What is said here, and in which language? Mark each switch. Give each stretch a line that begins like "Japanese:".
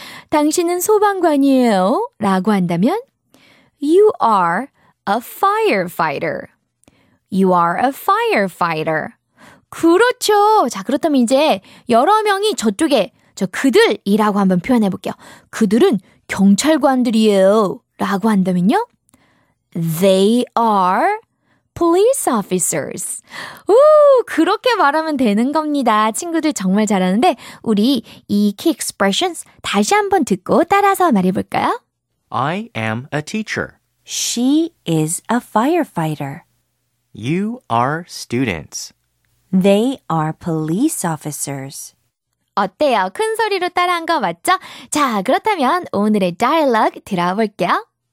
Korean: 당신은 소방관이에요 라고 한다면
English: You are a firefighter. You are a firefighter.
Korean: 그렇죠. 자, 그렇다면 이제 여러 명이 저쪽에 저 그들이라고 한번 표현해 볼게요. 그들은 경찰관들이에요 라고 한다면요.
English: They are Police officers.
Korean: 오, 그렇게 말하면 되는 겁니다. 친구들 정말 잘하는데 우리 이 key expressions 다시 한번 듣고 따라서 말해볼까요?
English: I am a teacher. She is a firefighter. You are students. They are police officers.
Korean: 어때요? 큰 소리로 따라한 거 맞죠? 자, 그렇다면 오늘의 dialogue 들어볼게요.